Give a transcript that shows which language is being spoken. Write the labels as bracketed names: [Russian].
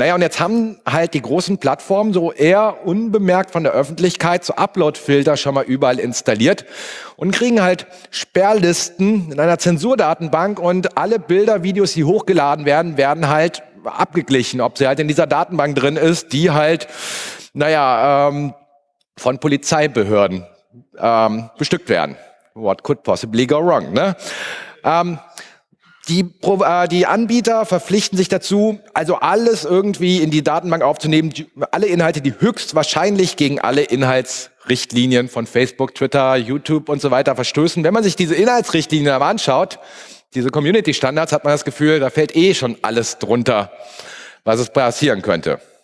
[German] Naja, und jetzt haben halt die großen Plattformen so eher unbemerkt von der Öffentlichkeit so Upload-Filter schon mal überall installiert und kriegen halt Sperrlisten in einer Zensurdatenbank und alle Bilder, Videos, die hochgeladen werden, werden halt abgeglichen, ob sie halt in dieser Datenbank drin ist, die halt, von Polizeibehörden bestückt werden. [English] What could possibly go wrong, [German] ne? Die Anbieter verpflichten sich dazu, also alles irgendwie in die Datenbank aufzunehmen, alle Inhalte, die höchstwahrscheinlich gegen alle Inhaltsrichtlinien von Facebook, Twitter, YouTube und so weiter verstößen. Wenn man sich diese Inhaltsrichtlinien aber anschaut, diese Community-Standards, hat man das Gefühl, da fällt eh schon alles drunter, was es passieren könnte.